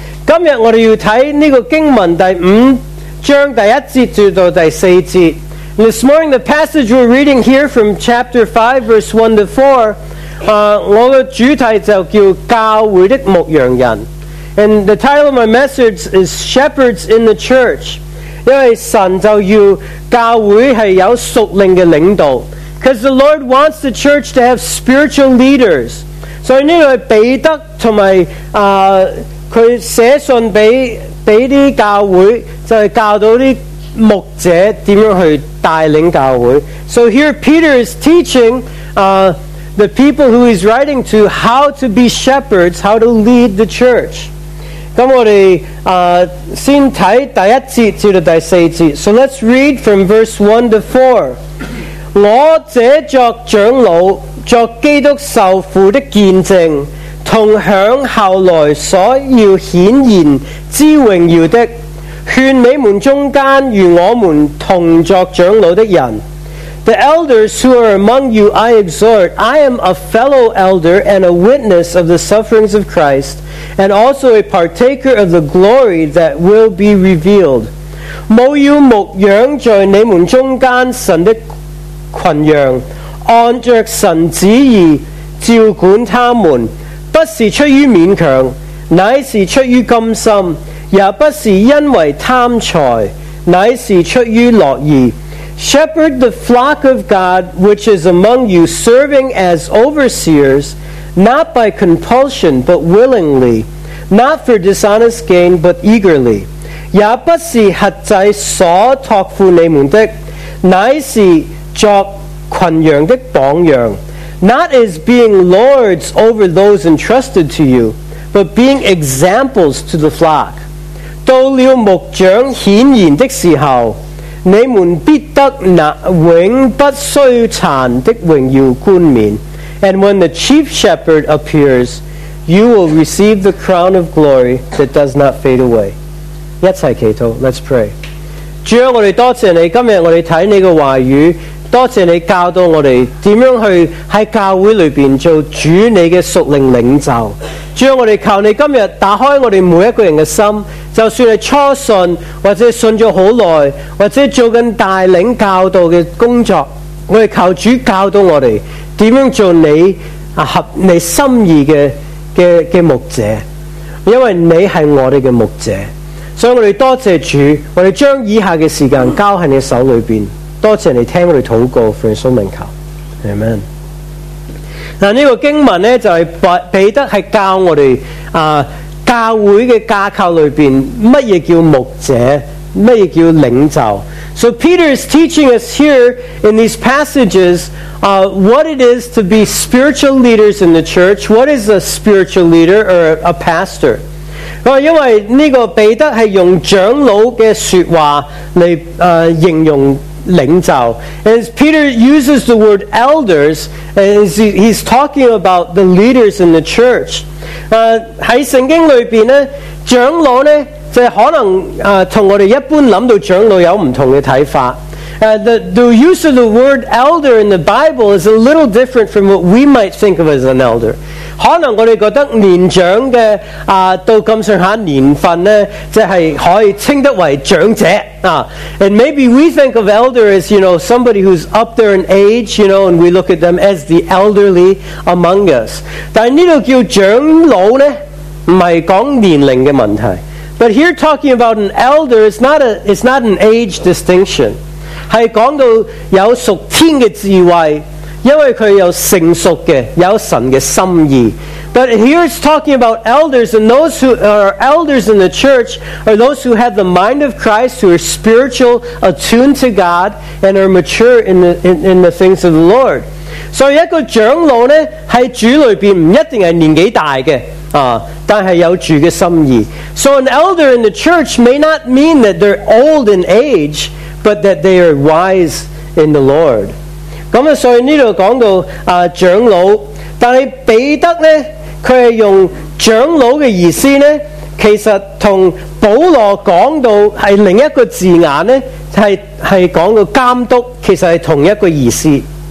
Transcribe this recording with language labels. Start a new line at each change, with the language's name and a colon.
Chinese: 今日我哋要睇呢个经文第五章第一节至到第四节。
English: And this morning, the passage we're reading here from chapter 5, verse 1 to 4,
Chinese: 我的主题就叫教会的牧羊人。
English: And the title of my message is Shepherds in the Church.
Chinese: 因为神就要教会是有属灵的领导。
English: Because the Lord wants the church to have spiritual leaders. So in this way,
Chinese: 彼得和他写信给那些教会就是教导那些牧者怎样去带领教会。
English: So here Peter is teaching the people who he's writing to how to be shepherds, how to lead the church.
Chinese: 咁我哋先睇第一节至到第四节。
English: So let's read from verse 1 to 4.
Chinese: 我这作长老作基督受父的见证同享后来所要显现之荣耀的劝你们中间与我们同作长老的人。
English: The elders who are among you I exhort, I am a fellow elder and a witness of the sufferings of Christ, and also a partaker of the glory that will be revealed.
Chinese: 我要牧养在你们中间神的群羊，按着神旨意照管他们，不是出于勉强，乃是出于甘心，也不是因为贪财，乃是出于乐意。
English: Shepherd the flock of God which is among you, serving as overseers, not by compulsion but willingly, not for dishonest gain but eagerly.
Chinese: 也不是合祭所托付你们的，乃是作群羊的榜样。
English: Not as being lords over those entrusted to you, but being examples to the flock.
Chinese: 到了牧长显现的时候，你们必得那永不衰残的荣耀冠冕。
English: And when the chief shepherd appears, you will receive the crown of glory that does not fade away.
Chinese: 一起祈祷，
English: let's pray.
Chinese: 主啊，我们多谢你，今天我们看你的话语，多谢你教导我们怎样去在教会里面做主你的属灵领袖。主啊，我们求你今天打开我们每一个人的心，就算是初信或者信了很久，或者做着带领教导的工作，我们求主教导我们怎样做你合你心意 的牧者，因为你是我们的牧者。所以我们多谢主，我们将以下的时间交在你手里面，多谢你听我们祷告，奉主名求， Amen。这个经文呢，就是彼得是教我们教会的架构里面什么叫牧者，什么叫领袖。
English: So Peter is teaching us here in these passages what it is to be spiritual leaders in the church. What is a spiritual leader or a pastor?
Chinese: 因为这个彼得是用长老的说话来形容领袖。
English: As Peter uses the word elders, as he's talking about the leaders in the church.
Chinese: 在圣经里面呢，长老呢，就可能跟我们一般想到长老有不同的看法。
English: The use of the word elder in the Bible is a little different from what we might think of as an elder.
Chinese: 可能我们觉得年长的到这么上下年份呢，就是可以称得为长者。
English: And maybe we think of elder as, you know, somebody who's up there in age, you know, and we look at them as the elderly among us.
Chinese: 但这里叫长老呢，不是讲年龄的问题。
English: But here talking about an elder, it's not an age distinction.
Chinese: 是讲到有属天的智慧，因为他有成熟的，有神的心意。
English: But here it's talking about elders, and those who are elders in the church are those who have the mind of Christ, who are spiritual, attuned to God, and are mature in the things of the Lord.
Chinese: So 一个长老呢，在主里面不一定是年纪大的但是有主的心意。
English: So an elder in the church may not mean that they're old in age,but that they are wise in the Lord.
Chinese: 咁所以呢度讲到长老，但系彼得咧，佢系用长老嘅意思咧，其实同保罗讲到系另一个字眼咧，系讲到监督，其实系同一个意思。